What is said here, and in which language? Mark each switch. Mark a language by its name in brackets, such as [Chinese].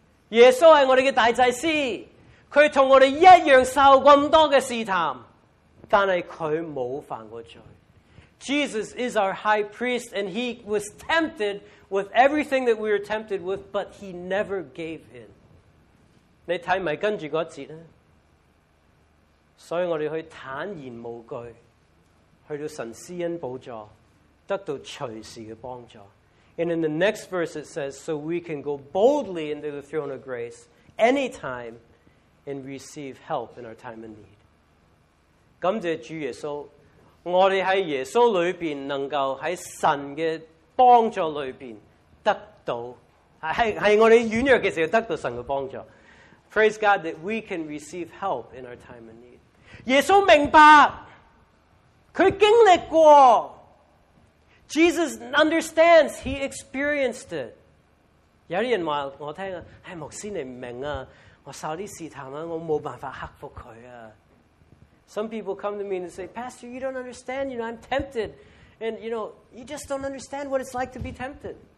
[Chinese] 耶稣是我们的大祭司, 他与我们一样受过那么多的试探, 但是他没有犯过罪 [English] Jesus is our high priest and he was tempted with everything that we were tempted with but he never gave in [Chinese] 你看跟着那一节 所以我们去坦然无惧 去到神施恩宝座 得到随时的帮助 [English] And in the next verse it says so we can go boldly into the throne of grace anytime and receive help in our time of need [Chinese] 感謝主耶穌 我們在耶穌裡面 能夠在神的幫助裡面 得到 是我們軟弱的時候得到神的幫助 [English] Praise God that we can receive help in our time of need [Chinese] 耶穌明白他經歷過 [English] Jesus understands He experienced it [Chinese] 有些人說我聽 牧師你不明白 我受了試探 我沒有辦法克服他 [English] Some people come to me and say, Pastor, you don't understand, you know, I'm tempted. And, you know, you just don't understand what it's like to be tempted.